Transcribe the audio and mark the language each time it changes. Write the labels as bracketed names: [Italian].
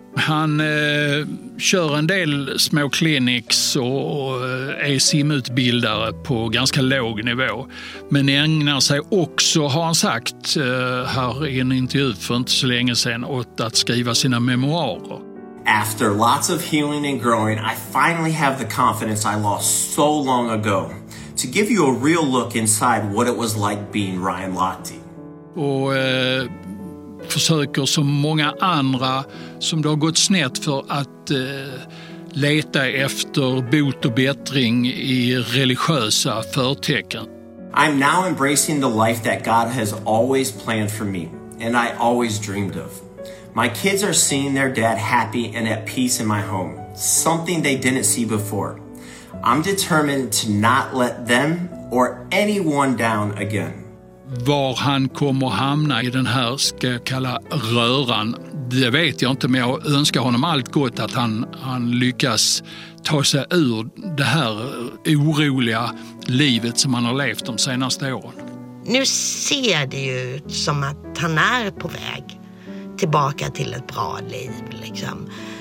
[Swedish] Han kör en del små clinics och är simutbildare på ganska låg nivå. Men ägnar sig också, har han sagt här i en intervju för inte så länge sedan, åt att skriva sina memoarer. [English] After lots of healing and growing, I finally have the confidence I lost so long ago to give you a real look inside what it was like being Ryan Lochte. [Swedish] Och försöker som många andra som det har gått snett för att leta efter bot och bättring i religiösa förtecken. [English] I'm now embracing the life that God has always planned for me and I always dreamed of. My kids are seeing their dad happy and at peace in my home, something they didn't see before. I'm determined to not let them or anyone down again. [Swedish] Var han kommer att hamna i den här, ska jag kalla, röran, det vet jag inte, men jag önskar honom allt gott att han lyckas ta sig ur det här oroliga livet som han har levt de senaste åren. Nu ser det ju ut som att han är på väg tillbaka till ett bra liv, liksom.